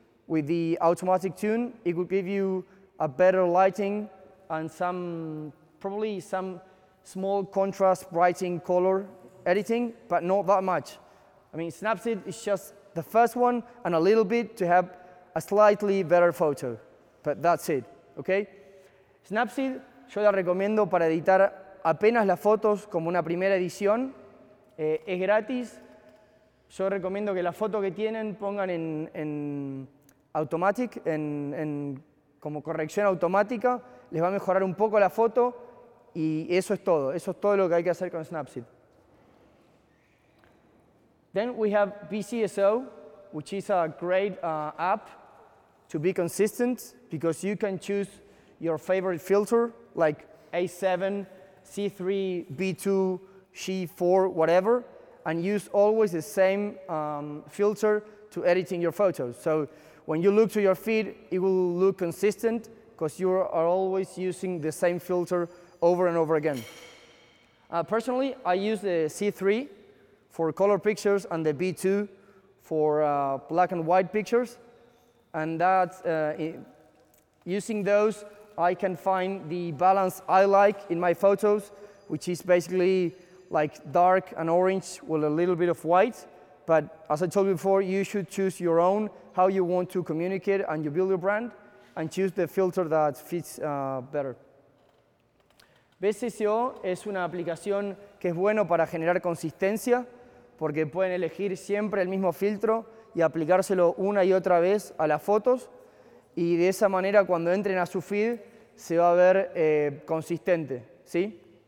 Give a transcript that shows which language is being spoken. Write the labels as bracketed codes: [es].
[en] With the automatic tune, it will give you a better lighting and some, probably some small contrast, brightening, color editing, but not that much. I mean, Snapseed is just the first one and a little bit to have a slightly better photo, but that's it, okay? [es] Snapseed, yo la recomiendo para editar apenas las fotos como una primera edición. Es gratis. Yo recomiendo que la foto que tienen pongan en automatic, en como corrección automática, les va a mejorar un poco la foto y eso es todo lo que hay que hacer con Snapseed. [en] Then we have BCSO, which is a great app to be consistent because you can choose your favorite filter like A7, C3, B2, C4, whatever, and use always the same filter to editing your photos. So when you look to your feed, it will look consistent because you are always using the same filter over and over again. Personally, I use the C3 for color pictures and the B2 for black and white pictures. And that, using those, I can find the balance I like in my photos, which is basically like dark and orange with a little bit of white. But as I told you before, you should choose your own, how you want to communicate and you build your brand, and choose the filter that fits better. [es] BCCO es una aplicación que es bueno para generar consistencia, porque pueden elegir siempre el mismo filtro y aplicárselo una y otra vez a las fotos. Y de esa manera, cuando entren a su feed, se va a ver consistente, ¿sí?